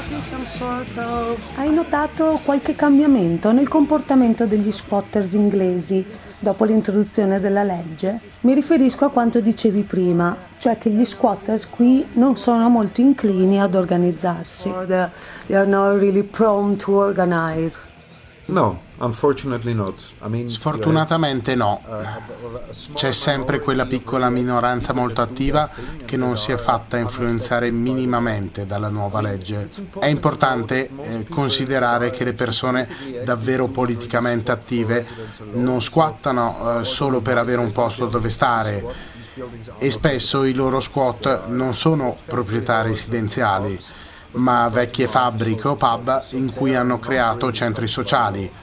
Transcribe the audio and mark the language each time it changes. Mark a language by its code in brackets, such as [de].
[it] Hai notato qualche cambiamento nel comportamento degli squatters inglesi dopo l'introduzione della legge? Mi riferisco a quanto dicevi prima, cioè che gli squatters qui non sono molto inclini ad organizzarsi. [en] They are not really prone to organize. No, unfortunately not. [it] Sfortunatamente no. C'è sempre quella piccola minoranza molto attiva che non si è fatta influenzare minimamente dalla nuova legge. È importante considerare che le persone davvero politicamente attive non squattano solo per avere un posto dove stare, e spesso i loro squat non sono proprietà residenziali, ma vecchie fabbriche o pub in cui hanno creato centri sociali.